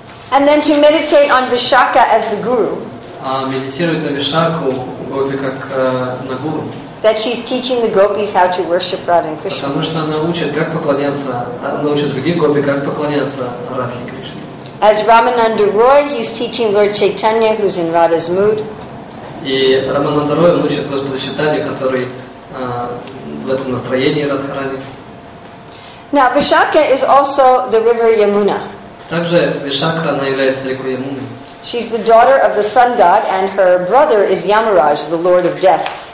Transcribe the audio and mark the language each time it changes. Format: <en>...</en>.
<en>And then to meditate on Vishakha as the guru.</en> <ru>А медитирует на Вишакху гопи как на гуру.</ru> <en>That she's teaching the gopis how to worship Radha and Krishna.</en> <ru>Потому что она учит других гопи как поклоняться Радхе и Кришне.</ru> <en>As Ramananda Roy, he's teaching Lord Chaitanya, who's in Radha's mood.</en> <ru>И Рамананда Рой учит Господа Чайтанью, который в этом настроении Радхарани.</ru> <en>Now Vishakha is also the river Yamuna.</en> <ru>Также Вишакха, она является рекой Ямуны.</ru> <en>She's the daughter of the sun god, and her brother is Yamaraj, the lord of death.</en>